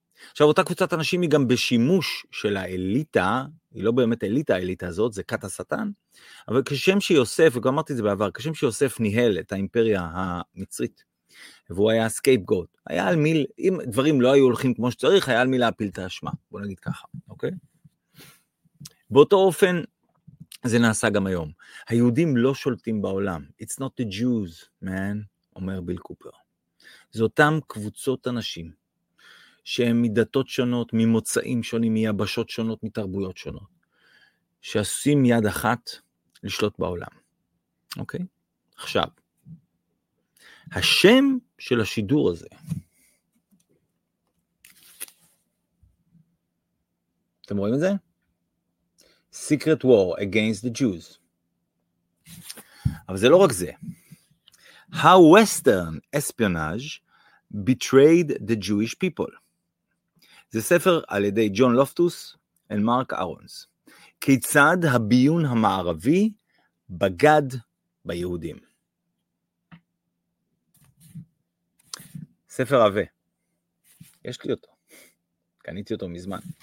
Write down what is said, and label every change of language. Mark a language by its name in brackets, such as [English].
[Hebrew] עכשיו, אותה קבוצת אנשים היא גם בשימוש של האליטה, היא לא באמת אליטה, האליטה הזאת, זה קט השטן, אבל כשם שיוסף, וכבר אמרתי את זה בעבר, כשם שיוסף ניהל את האימפריה המצרית, והוא היה סקייפגוט, היה על מיל, אם דברים לא היו הולכים כמו שצריך, היה על מיל להפיל את האשמה, בוא נגיד ככה, אוקיי? באותו אופן, זה נעשה גם היום. היהודים לא שולטים בעולם. [English] It's not the Jews, man, [Hebrew] אומר ביל קופר. זה אותם קבוצות אנשים שהם מדתות שונות, ממוצאים שונים, מיבשות שונות, מתרבויות שונות, שעושים יד אחת לשלוט בעולם. אוקיי? עכשיו, השם של השידור הזה, אתם רואים את זה? [English] Secret war against the Jews. [Hebrew] אבל זה לא רק זה. [English] How Western espionage betrayed the Jewish people. [Hebrew] זה ספר על ידי ג'ון לופטוס ומרק ארונס. כיצד הביון המערבי בגד ביהודים. ספר עבה. יש לי אותו. קניתי אותו מזמן.